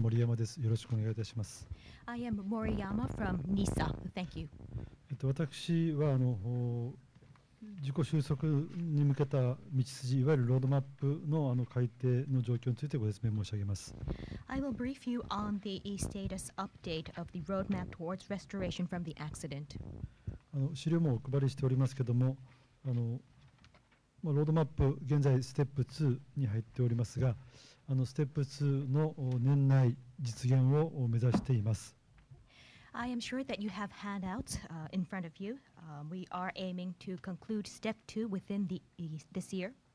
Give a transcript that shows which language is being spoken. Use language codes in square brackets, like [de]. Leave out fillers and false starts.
[ja] 原子力安全保安の森山です。よろしくお願いいたします。I [en] am Moriyama from NISA. Thank you. [ja] 私は自己収束に向けた道筋、いわゆるロードマップの改定の状況についてご説明申し上げます。I [en] will brief you on the status update of the roadmap towards restoration from the accident. [ja] 資料もお配りしておりますけども、ロードマップ現在ステップ2に入っておりますが、 ステップ2の年内実現を目指しています。 [en] I am sure that you have handouts in front of you. We are aiming to conclude step 2 within this year.